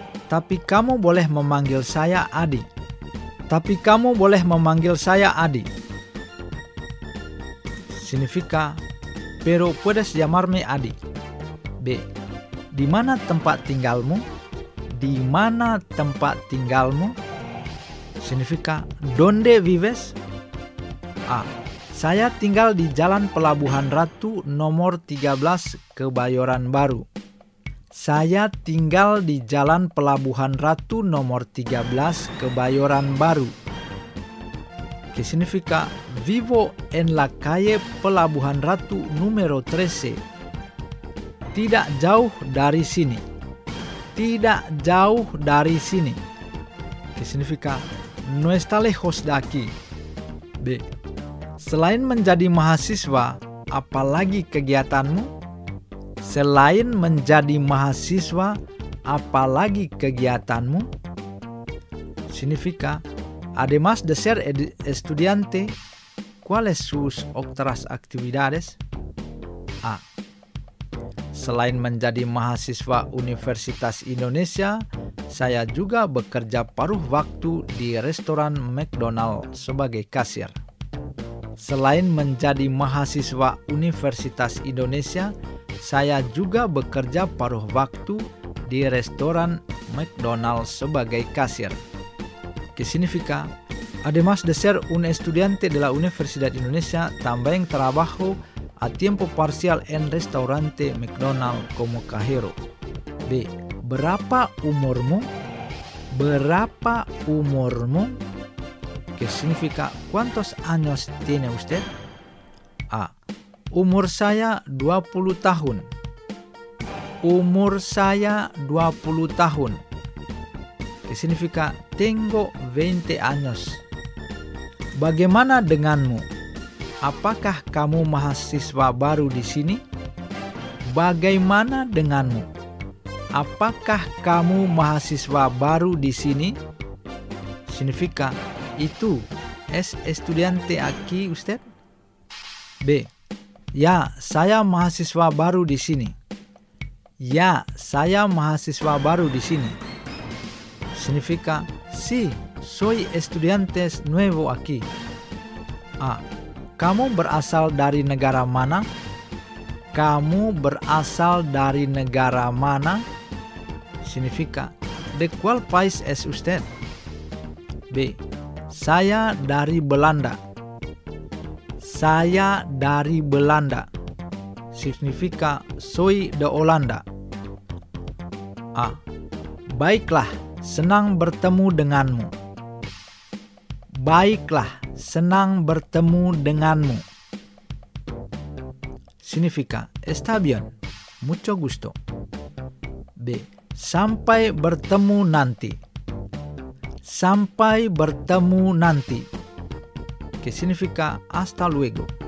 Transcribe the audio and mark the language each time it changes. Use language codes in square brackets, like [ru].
[id] Tapi kamu boleh memanggil saya Adi. Tapi kamu boleh memanggil saya Adi. [es] Significa pero puedes llamarme Adi. B. [id] Di mana tempat tinggalmu? Di mana tempat tinggalmu? [es] Significa donde vives? A. [id] Saya tinggal di Jalan Pelabuhan Ratu nomor 13 Kebayoran Baru. Saya tinggal di Jalan Pelabuhan Ratu nomor 13 Kebayoran Baru. [es] Que significa vivo en la calle Pelabuhan Ratu número 13. [id] Tidak jauh dari sini. Tidak jauh dari sini. [es] Que significa no está lejos de aquí. B. [id] Selain menjadi mahasiswa, apalagi kegiatanmu? Selain menjadi mahasiswa, apalagi kegiatanmu? [es] Significa además de ser estudiante, ¿cuáles sus otras actividades? A. [id] Selain menjadi mahasiswa Universitas Indonesia, saya juga bekerja paruh waktu di restoran McDonald's sebagai kasir. Selain menjadi mahasiswa Universitas Indonesia, saya juga bekerja paruh waktu di restoran McDonald's sebagai kasir. [es] Que significa, además de ser un estudiante de la Universidad Indonesia, también trabajo a tiempo parcial en restaurante McDonald's como cajero. B. [id] Berapa umurmu? Berapa umurmu? [es] Que significa, ¿cuántos años tiene usted? A. [id] Umur saya 20 tahun. Umur saya 20 tahun. [es] Que significa tengo 20 años. [id] Bagaimana denganmu? Apakah kamu mahasiswa baru di sini? Bagaimana denganmu? Apakah kamu mahasiswa baru di sini? [es] Significa itu es estudiante aquí usted? B. [id] Ya, saya mahasiswa baru di sini. Ya, saya mahasiswa baru di sini. [es] Significa sí, soy estudiante nuevo aquí. A. [id] Kamu berasal dari negara mana? Kamu berasal dari negara mana? [es] Significa de cuál país es usted? B. [id] Saya dari Belanda. Saya dari Belanda. [es] Significa soy de Holanda. A. [id] Baiklah, senang bertemu denganmu. Baiklah, senang bertemu denganmu. [es] Significa está bien, mucho gusto. B. [id] Sampai bertemu nanti. Sampai bertemu nanti. [es] Que significa hasta luego.